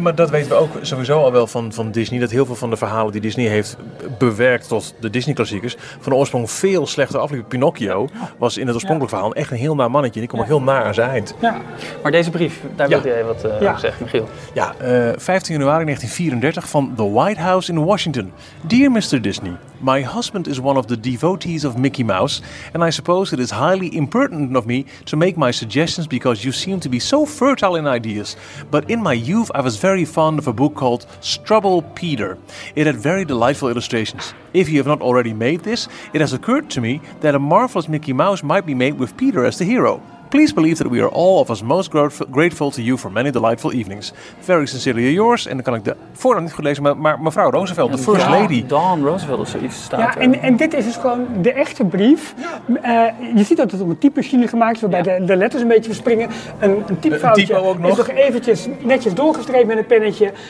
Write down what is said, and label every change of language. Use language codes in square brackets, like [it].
[nl] Maar dat weten we ook sowieso al wel van Disney. Dat heel veel van de verhalen die Disney heeft bewerkt tot de Disney-klassiekers van de oorsprong veel slechter afliepen. Pinocchio was in het oorspronkelijke verhaal echt een heel naar mannetje. Die komt ook heel naar aan zijn eind. Ja. Maar deze brief, daar wilde jij wat over zeggen, Michiel. Ja, 15 januari 1934 van The White House in Washington. [en] Dear Mr. Disney, my husband is one of the devotees of Mickey Mouse and I suppose it is highly impertinent of me to make my suggestions because you seem to be so fertile in ideas. But in my youth I was very fond of a book called Strubble Peter. It had very delightful illustrations. If you have not already made this, it has occurred to me that a marvelous Mickey Mouse might be made with Peter as the hero. Please believe that we are all of us most grateful to you for many delightful evenings. Very sincerely yours. [nl] En dan kan ik de voornaam niet goed lezen, maar mevrouw Roosevelt, de first lady. Dawn Roosevelt of zoiets staat. Ja, en dit is dus gewoon de echte brief. Je ziet dat het op een typemachine gemaakt is, waarbij de letters een beetje verspringen. Een typfoutje is nog eventjes netjes doorgestreept met een pennetje.